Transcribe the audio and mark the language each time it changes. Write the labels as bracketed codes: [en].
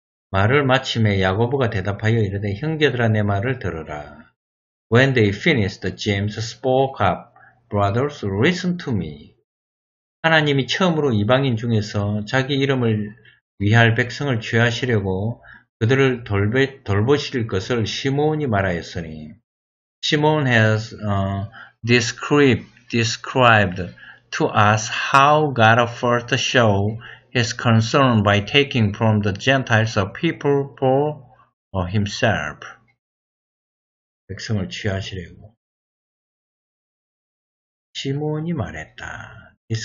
[ko] 말을 마침에 야고보가 대답하여 이르되 형제들아 내 말을 들으라. [en] When they finished, James spoke up, Brothers, listen to me. [ko] 하나님이 처음으로 이방인 중에서 자기 이름을 위할 백성을 취하시려고 그들을 돌보실 것을 시몬이 말하였으니. [en] Simon has described to us how God first showed his concern by taking from the Gentiles a people for himself. [ko] 백성을 취하시려고 시몬이 말했다.